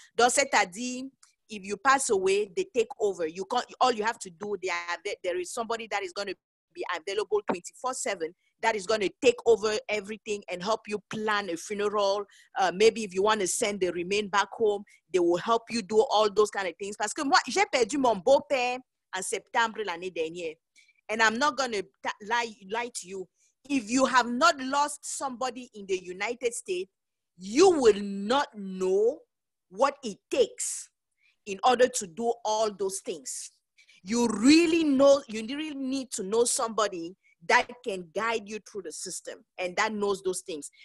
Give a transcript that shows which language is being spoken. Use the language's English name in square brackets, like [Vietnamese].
[French] Donc c'est-à-dire, [English] if you pass away, they take over. You can't, all you have to do, there is somebody that is going to be available 24/7. That is going to take over everything and help you plan a funeral. Maybe if you want to send the remain back home, they will help you do all those kind of things. [French] Parce que moi, j'ai perdu mon beau-père en septembre l'année dernière. [English] And I'm not going to lie to you. If you have not lost somebody in the United States, you will not know what it takes in order to do all those things. You really need to know somebody that can guide you through the system and that knows those things.